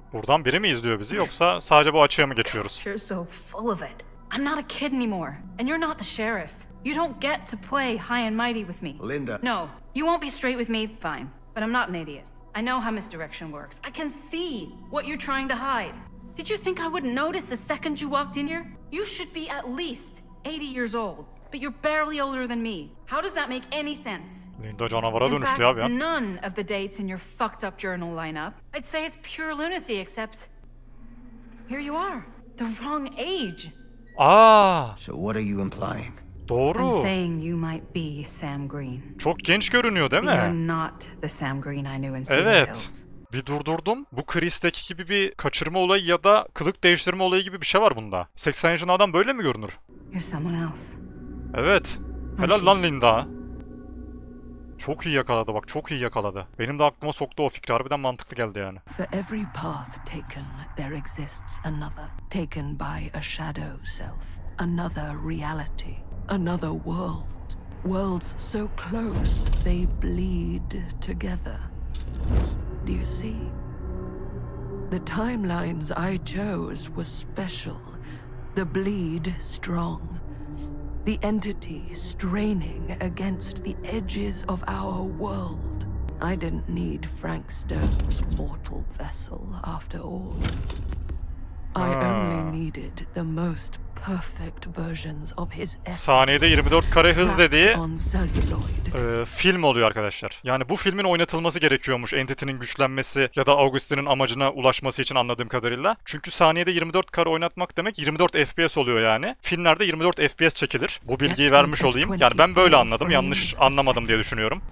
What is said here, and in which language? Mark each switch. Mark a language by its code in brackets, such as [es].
[tr] Buradan biri mi izliyor bizi yoksa sadece bu açığa mı geçiyoruz? [en] You're so full of it. I'm not a kid anymore. And you're not the sheriff. You don't get to play high and mighty with me. Linda. No, you won't be straight with me, fine. But I'm not an idiot. I know how misdirection works. I can see what you're trying to hide. Did you think I wouldn't notice the second you walked in here? You should be at least 80 years old. But you're barely older than me. How does that make any sense? [tr] Linda canavara dönüştü abi ya. [en] In fact, none of the dates in your fucked up journal line up. I'd say it's pure lunacy, except... Here you are. The wrong age. Ah. So what are you implying? [tr] Doğru. [en] I'm saying you might be Sam Green. [tr] Çok genç görünüyor değil mi? [en] You're not the Sam Green I knew in Cedar [tr] evet. [en] Hills. [tr] Bir durdurdum. Bu Chris'teki gibi bir kaçırma olayı ya da kılık değiştirme olayı gibi bir şey var bunda. 80 yaşında adam böyle mi görünür? [en] You're someone else. [tr] Evet. Helal lan Linda. Çok iyi yakaladı bak, çok iyi yakaladı. Benim de aklıma soktu o fikri. Harbiden mantıklı geldi yani. [en] For every path taken, there exists another. Taken by a shadow self. Another reality. Another world. Worlds so close, they bleed together. Do you see? The timelines I chose were special. The bleed strong. The entity straining against the edges of our world. I didn't need Frank Stone's mortal vessel after all. I only needed the most perfect versions of his essence. [tr] Saniyede 24 kare hız dediği film oluyor arkadaşlar. Yani bu filmin oynatılması gerekiyormuş Entity'nin güçlenmesi ya da Augustine'in amacına ulaşması için anladığım kadarıyla. Çünkü saniyede 24 kare oynatmak demek 24 FPS oluyor yani. Filmlerde 24 FPS çekilir. Bu bilgiyi vermiş olayım. Yani ben böyle anladım. Yanlış anlamadım diye düşünüyorum.